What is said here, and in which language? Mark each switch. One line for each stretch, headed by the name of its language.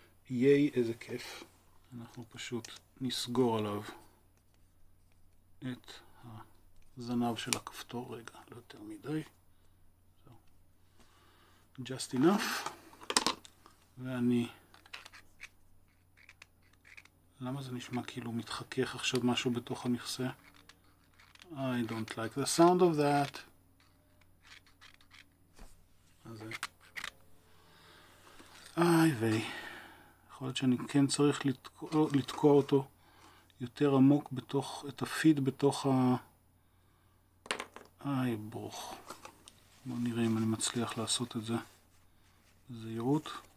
Hebrew: ייי, איזה כיף. אנחנו פשוט נסגור עליו את הזנב של הכפתור. רגע, לא יותר מדי.
English: Just enough.
Hebrew: ואני... למה זה נשמע כאילו מתחכך עכשיו משהו בתוך המכסה?
English: I don't like the sound of that.
Hebrew: הזה. איי ויי, יכול להיות שאני כן צריך לתקוע אותו יותר עמוק בתוך, את הפיד בתוך ה... איי ברוך, בוא נראה אם אני מצליח לעשות את זה בזהירות.